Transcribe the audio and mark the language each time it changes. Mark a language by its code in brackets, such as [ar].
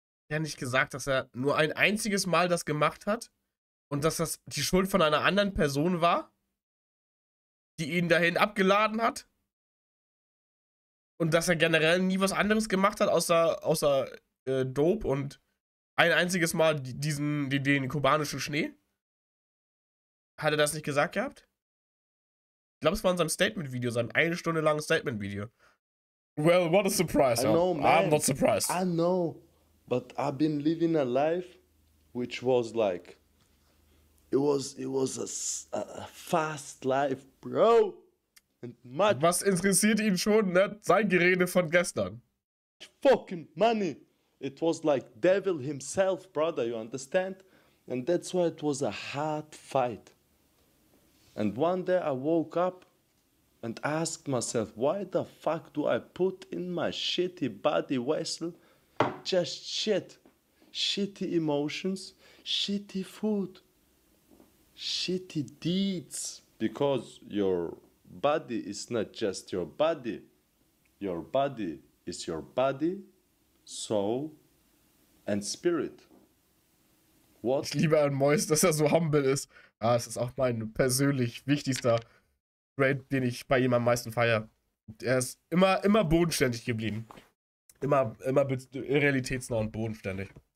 [de] Hat er nicht gesagt, dass er nur ein einziges Mal das gemacht hat und dass das die Schuld von einer anderen Person war, die ihn dahin abgeladen hat und dass er generell nie was anderes gemacht hat außer Dope und ein einziges Mal den kubanischen Schnee? Hat er das nicht gesagt gehabt? Ich glaube, es war in seinem Statement-Video, seinem eine Stunde langen Statement-Video. [en] Well, what a surprise. I know, man. I'm not surprised. I know, but I've been living a life which was like, it was a fast life, bro. And much. [de] Was interessiert ihn schon, ne? Sein Gerede von gestern? [en] Fucking money. It was like devil himself, brother, you understand? And that's why it was a hard fight. And one day I woke up and asked myself, why the fuck do I put in my shitty body vessel just shit? Shitty emotions, shitty food, shitty deeds. Because your body is not just your body. Your body is your body, soul and spirit. What? [de] Ich liebe einen Mäus, dass er so humble ist. Ah, es ist auch mein persönlich wichtigster Trait, den ich bei ihm am meisten feiere. Er ist immer bodenständig geblieben. Immer realitätsnah und bodenständig.